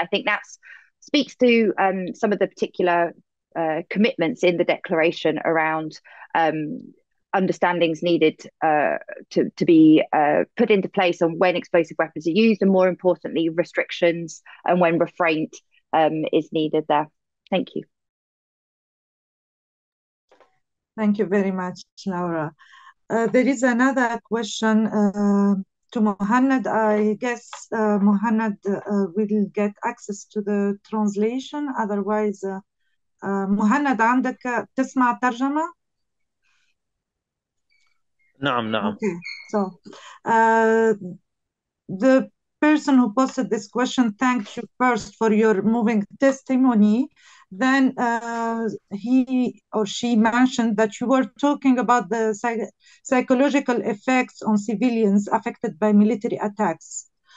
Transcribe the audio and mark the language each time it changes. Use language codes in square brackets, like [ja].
[en] And I think that speaks to some of the particular commitments in the declaration around understandings needed to be put into place on when explosive weapons are used, and more importantly, restrictions and when refraint is needed there. Thank you. Thank you very much, Laura. There is another question to Mohammed. I guess Mohammed will get access to the translation. Otherwise, Mohammed, [ar] عندك تسمع ترجمة؟ نعم نعم. [en] Okay. So, the person who posted this question thanked you first for your moving testimony. Then he or she mentioned that you were talking about the psychological effects on civilians affected by military attacks.